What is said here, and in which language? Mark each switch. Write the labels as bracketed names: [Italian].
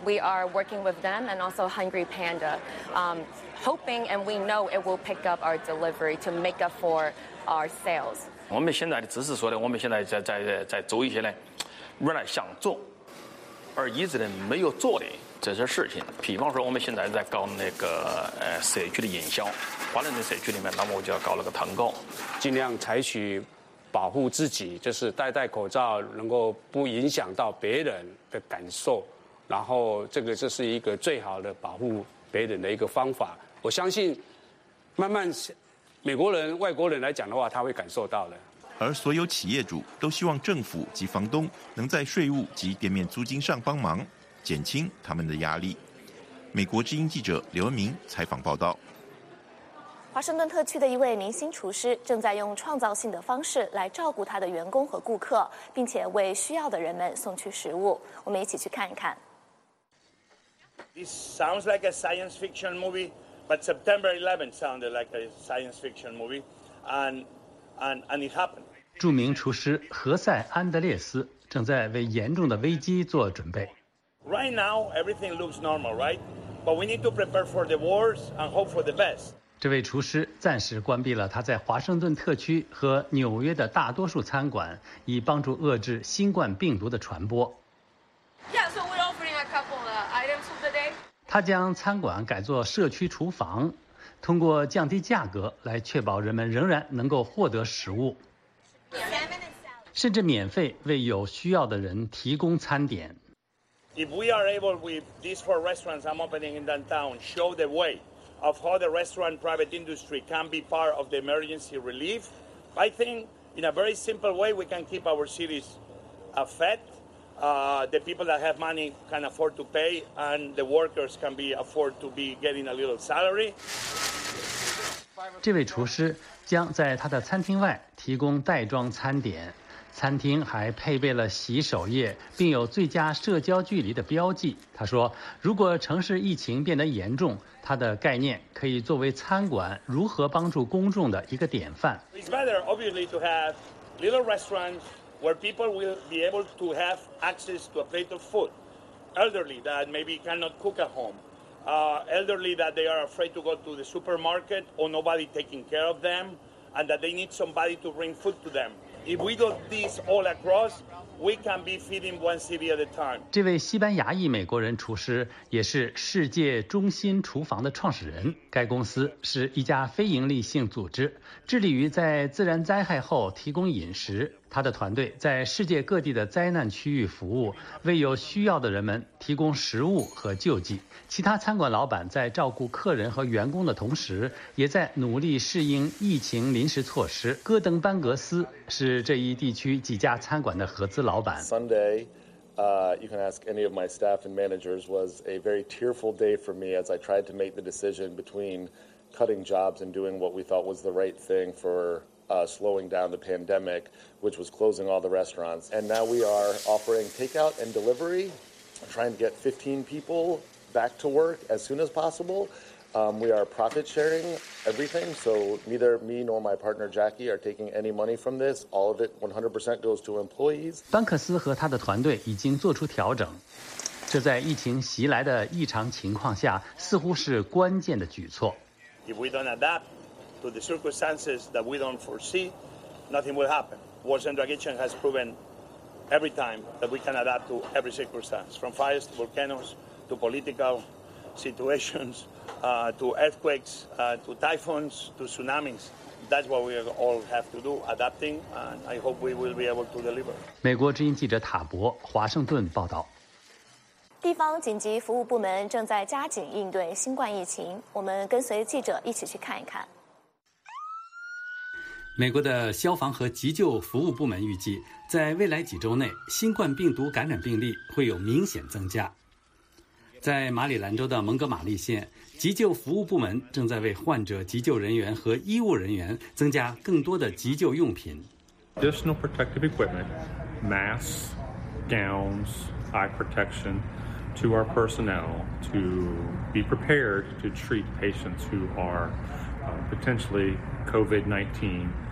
[English] We are working with them and also Hungry Panda, hoping and we know it will pick up our delivery to make up for our sales. [Chinese] 我们现在的只是说呢，我们现在在做一些呢，原来想做而一直呢没有做的。这些事情，比方说我们现在在搞那个社区的营销，华人的社区里面，那么我就要搞了个团购，尽量采取保护自己，就是戴口罩，能够不影响到别人的感受，然后这个就是一个最好的保护别人的一个方法。我相信，慢慢美国人、外国人来讲的话，他会感受到的。而所有企业主都希望政府及房东能在税务及店面租金上帮忙。减轻他们的压力。美国之音记者刘文明采访报道。华盛顿特区的一位明星厨师正在用创造性的方式来照顾他的员工和顾客，并且为需要的人们送去食物。我们一起去看一看。 [English] This sounds like a science fiction movie, but September 11 sounded like a science fiction movie, and it happened. [Chinese] 著名厨师何塞·安德烈斯正在为严重的危机做准备。 [English] Right now, everything looks normal, right? But we need to prepare for the worst and hope for the best. [Chinese] 这位厨师暂时关闭了他在华盛顿特区和纽约的大多数餐馆，以帮助遏制新冠病毒的传播。 [English] Yeah, so we're offering a couple of items of the day. [Chinese] 他将餐馆改作社区厨房，通过降低价格来确保人们仍然能够获得食物，甚至免费为有需要的人提供餐点。 [English] If we are able with these four restaurants I'm opening in downtown, show the way of how the restaurant private industry can be part of the emergency relief, I think in a very simple way we can keep our cities fed, the people that have money can afford to pay, and the workers can be afford to be getting a little salary. [Chinese] 这位厨师将在他的餐厅外提供袋装餐点，餐厅还配备了洗手液，并有最佳社交距离的标记。他说，如果城市疫情变得严重，他的概念可以作为餐馆如何帮助公众的一个典范。 [English] It's better, obviously, to have little restaurants where people will be able to have access to a plate of food. Elderly that maybe cannot cook at home, elderly that they are afraid to go to the supermarket or nobody taking care of them, and that they need somebody to bring food to them. If we do this all across, we can be feeding one city at a time. [Chinese] 这位西班牙裔美国人厨师也是世界中心厨房的创始人。该公司是一家非营利性组织，致力于在自然灾害后提供饮食。他的团队在世界各地的灾难区域服务，为有需要的人们提供食物和救济。其他餐馆老板在照顾客人和员工的同时，也在努力适应疫情临时措施。戈登班格斯是这一地区几家餐馆的合资老板。 [English] Sunday, you can ask any of my staff and managers, was a very tearful day for me as I tried to make the decision between cutting jobs and doing what we thought was the right thing for. Slowing down the pandemic, which was closing all the restaurants. And now we are offering takeout and delivery, trying to get 15 people back to work as soon as possible. We are profit sharing everything, so neither me nor my partner Jackie are taking any money from this. All of it 100% goes to employees. [Chinese] 班克斯和他的团队已经做出调整，这在疫情袭来的异常情况下似乎是关键的举措。 [English] If we don't adapt,to the circumstances that we don't foresee, nothing will happen. World Central Kitchen has proven every time that we can adapt to every circumstance, from fires to volcanoes, to political situations, to earthquakes, to typhoons, to tsunamis. That's what we all have to do, adapting, and I hope we will be able to deliver. [Chinese] 美国之音记者塔博，华盛顿报道。地方紧急服务部门正在加紧应对新冠疫情，我们跟随记者一起去看一看。美国的消防和急救服务部门预计，在未来几周内，新冠病毒感染病例会有明显增加。在马里兰州的蒙哥马利县，急救服务部门正在为患者、急救人员和医务人员增加更多的急救用品。 [English] Additional protective equipment, masks, gowns, eye protection to our personnel to be prepared to treat patients who are potentially COVID-19.